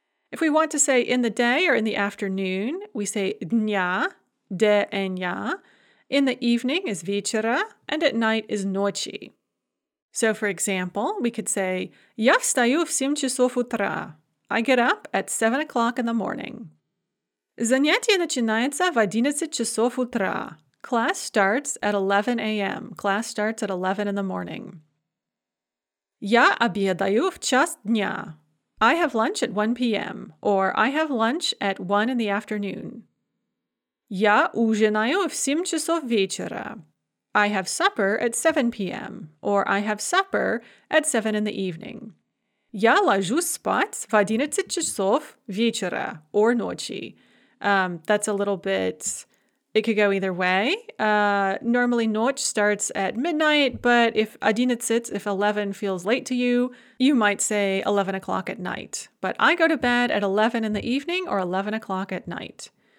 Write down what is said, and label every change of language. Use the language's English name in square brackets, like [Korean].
[English] If we want to say in the day or in the afternoon, we say [Russian] дня, деня. [English] In the evening is [Russian] вечера, [English] and at night is [Russian] ночи. [English] So for example, we could say, [Russian] я встаю в 7 часов утра. [English] I get up at 7 o'clock in the morning. [Russian] Занятие начинается в 11 часов утра. [English] Class starts at 11 a.m. Class starts at 11 in the morning. [Russian] Я обедаю в час дня. [English] I have lunch at 1 p.m. or I have lunch at 1 in the afternoon. [Russian] Я ужинаю в 7 часов вечера. [English] I have supper at 7 p.m. or I have supper at 7 in the evening. [Russian] Я ложусь спать в 11 часов вечера [English] or [Russian] ночи. [English] That's a little bit, it could go either way. Normally, [Russian] ночь [English] starts at midnight, but if 11 feels late to you, you might say 11 o'clock at night. But I go to bed at 11 in the evening or 11 o'clock at night.